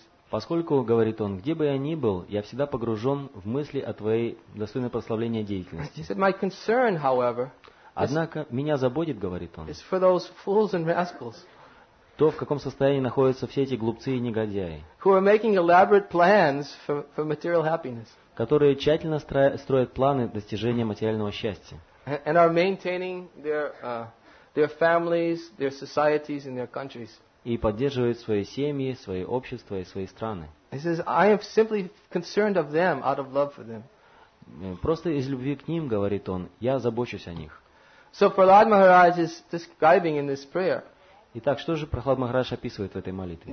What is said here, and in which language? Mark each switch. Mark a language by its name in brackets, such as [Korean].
[Russian] Поскольку, говорит он, где бы я ни был, я всегда погружен в мысли о твоей достойной прославления деятельности. [English] He said, my concern, however, [Russian] однако, меня заботит, говорит он, [English] is for those fools and rascals, [Russian] то, в каком состоянии находятся все эти глупцы и негодяи, [English] who are making elaborate plans for material happiness, [Russian] которые тщательно строят планы достижения материального счастья. [English] And are maintaining their families, their societies and their countries. [Russian] И поддерживает свои семьи, свои общества и свои страны. [English] He says, I am simply concerned of them out of love for them. [Russian] Просто из любви к ним, говорит он, я забочусь о них. [English] So Prahlad Maharaj is describing in this prayer. [Russian] Итак, что же Прахлад Махарадж описывает в этой молитве?